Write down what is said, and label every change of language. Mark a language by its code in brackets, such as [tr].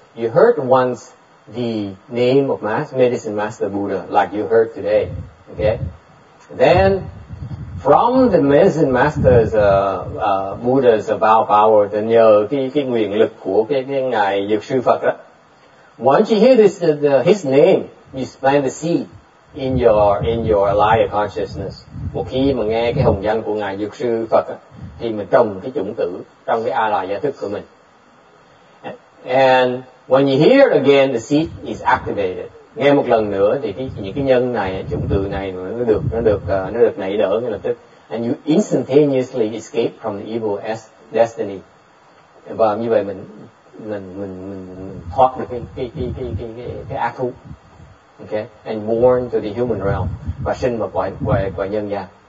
[en] You heard once the name of medicine master Buddha like you heard today, okay? Then from the medicine master's Buddha's vow power, then [vi] nhờ cái nguyện lực của cái ngài dược sư Phật đó. [en] Once you hear this his name, you plant the seed in your liar consciousness. [vi] Một khi mà nghe cái hồng danh của ngài dược sư Phật đó, thì mình trồng cái chủng tử trong cái A-la-ya thức của mình. [en] And when you hear it again, the seed is activated. [vi] Nghe một lần nữa thì những cái nhân này, chủng tử này nó được nảy nở ngay lập tức. [en] And you instantaneously escape from the evil destiny. [vi] Và như vậy mình thoát được cái ác thú. Okay? [en] And born to the human realm. [vi] Và sinh vào quả nhân gian.